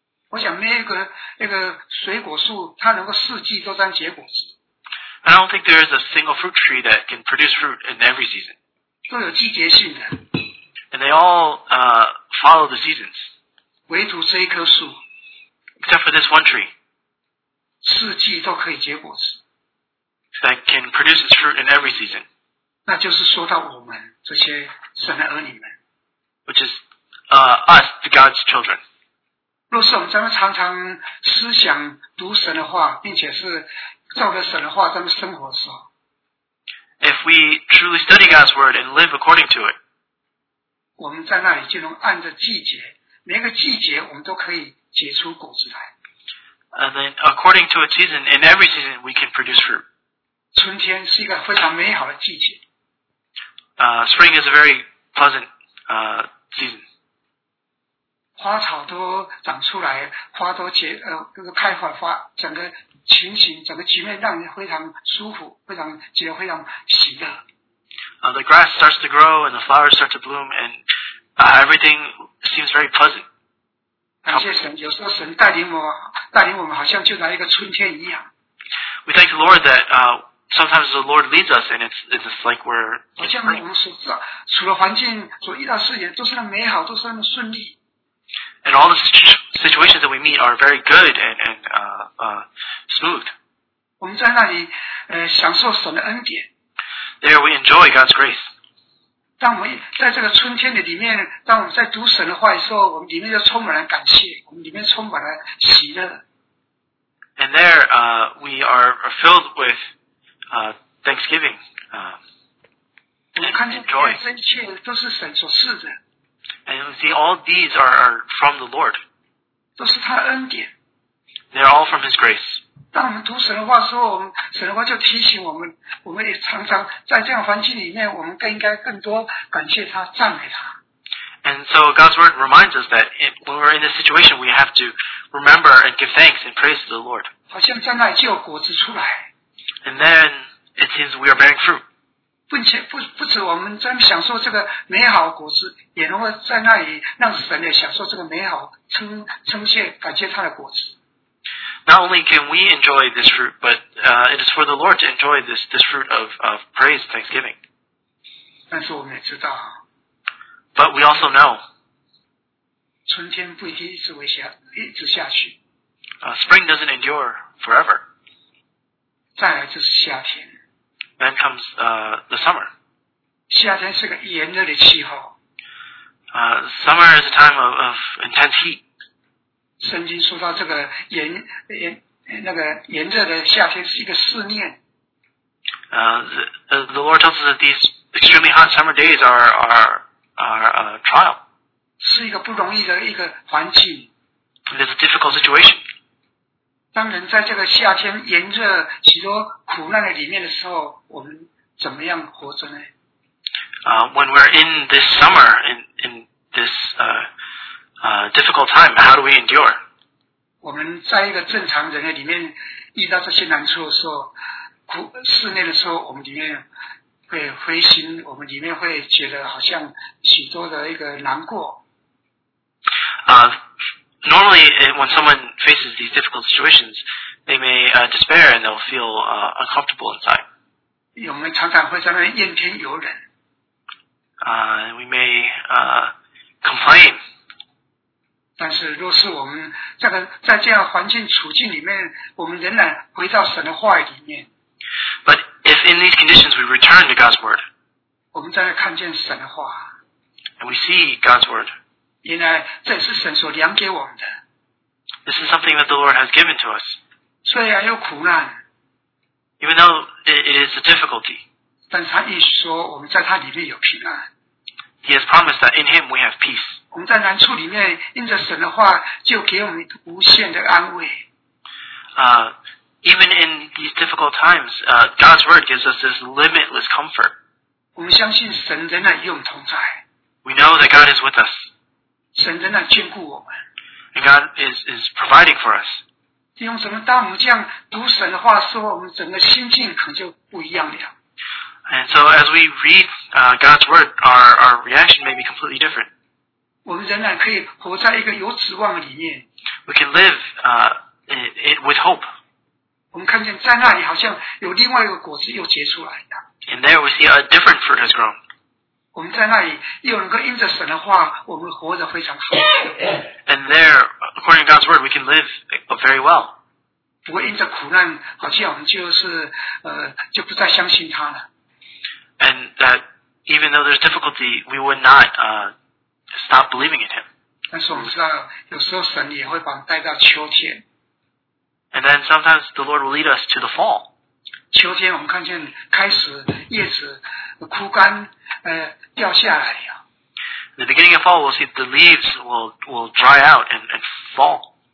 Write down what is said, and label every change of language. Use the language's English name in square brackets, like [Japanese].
[Chinese] 我想没有一个水果树，它能够四季都当结果实。 [English] I don't think there is a single fruit tree that can produce fruit in every season. [Chinese] 都有季节性的。 [English] And they all follow the seasons. [Chinese] 唯独这一棵树。 [English] Except for this one tree. [Chinese] 四季都可以结果子。 [English] That can produce its fruit in every season. [Chinese] 那就是说到我们这些神的儿女们。 [English] Which is us, the God's children. [Chinese] 若是我们常常思想读神的话，并且是照着神的话在生活的时候 [English] ，If we truly study God's word and live according to it， [Chinese] 我们在那里就能按着季节，每个季节我们都可以结出果子来。 [English] And then according to a season, in every season we can produce fruit. [Chinese] 春天是一个非常美好的季节。 [English] Spring is a very pleasant season. [Chinese] 花草都长出来，花都结，这个开花花，整个情形，整个局面让人非常舒服，非常觉得非常喜乐。 [English] The grass starts to grow and the flowers start to bloom and everything seems very pleasant. [Chinese] 感谢神，有时候神带领我们，好像就来一个春天一样。 [English] We thank the Lord that sometimes the Lord leads us and it's like we're. [Chinese] 好像我们所知道，除了环境所遇到事情都是那么美好，都是那么顺利。 [English] And all the situations that we meet are very good and smooth. [Chinese] 我们在那里享受神的恩典。 [English] There we enjoy God's grace. [Chinese] 当我们在这个春天的里面，当我们在读神的话的时候，我们里面就充满了感谢，我们里面充满了喜乐。 [English] And there, we are filled with thanksgiving. [Chinese] 我们看见这一切都是神所赐的。 [English] And you see, all these are from the Lord. [Chinese] 都是他恩典。 [English] They're all from His grace. [Chinese] 当我们读神的话的时候，我们神的话就提醒我们，我们也常常在这样环境里面，我们更应该更多感谢他，赞美他。 [English] And so God's word reminds us that when we're in this situation, we have to remember and give thanks and praise to the Lord. [Chinese] 好像在那里就有果子出来。 [English] And then it seems we are bearing fruit. [Chinese] 不止我们在享受这个美好果实，也能够在那里让神也享受这个美好，称谢感谢他的果实。 [English] Not only can we enjoy this fruit, but it is for the Lord to enjoy this fruit of praise, thanksgiving. [Chinese] 但是我们也知道。 [English] But But we also know. [Chinese] 春天不一定一直下去。 [English] Spring doesn't endure forever. [Chinese] 再来就是夏天。 [English] Then comes the summer. [Chinese] 夏天是个炎热的气候。 [English] Summer is a time of intense heat. [Chinese] 圣经说到这个炎热的夏天是一个试炼。 [English] The Lord tells us that these extremely hot summer days are a trial. [Chinese] 是一个不容易的一个环境。 [English] It is a difficult situation. [Chinese] 当人在这个夏天炎热许多苦难的里面的时候，我们怎么样活着呢？ [English] When we're in this summer, in this difficult time, how do we endure? [Chinese] 我们在一个正常人的里面遇到这些难处的时候，室内的时候，我们里面会灰心，我们里面会觉得好像许多的一个难过。 [English] Normally, when someone faces these difficult situations, they may despair and they'll feel uncomfortable inside. [Chinese] 我们常常会在那怨天尤人。 [English] We may complain. [Chinese] 但是，若是我们这个在这样环境处境里面，我们仍然回到神的话语里面。 [English] But if in these conditions we return to God's word, [Chinese] 我们再来看见神的话。 [English] And we see God's word. [Chinese] 原来这是神所量给我们的。 [English] This is something that the Lord has given to us. [Chinese] 虽然有苦难。 [English] Even though it is a difficulty. [Chinese] 但是他一直说我们在他里面有平安。 [English] He has promised that in him we have peace. [Chinese] 我们在难处里面因着神的话就给我们无限的安慰。 [English] Even in these difficult times, God's word gives us this limitless comfort. [Chinese] 我们相信神仍然与我们同在。 [English] We know that God is with us. [Chinese] 神仍然眷顾我们。 [English] And God is providing for us. [Chinese] 弟兄姊妹，当我们这样读神的话的时候，我们整个心境可能就不一样了。 [English] And so as we read God's word, our reaction may be completely different. [Chinese] 我们仍然可以活在一个有指望里面。 [English] We can live it with hope. [Chinese] 我们看见在那里好像有另外一个果子又结出来了。 [English] And there we see a different fruit has grown. [Chinese] 我们在那里又能够因着神的话，我们活得非常好。 [English] And there, according to God's word, we can live very well. [Chinese] 不会因着苦难，好像我们就不再相信他了。 [English] And that even though there's difficulty, we would not stop believing in him. [Chinese] 但是我们知道，有时候神也会把我们带到秋天。 [English] And then sometimes the Lord will lead us to the fall. [Chinese] 秋天我们看见开始叶子枯干，掉下来了。 [English] In the beginning of fall, we'll see the leaves will dry out and fall.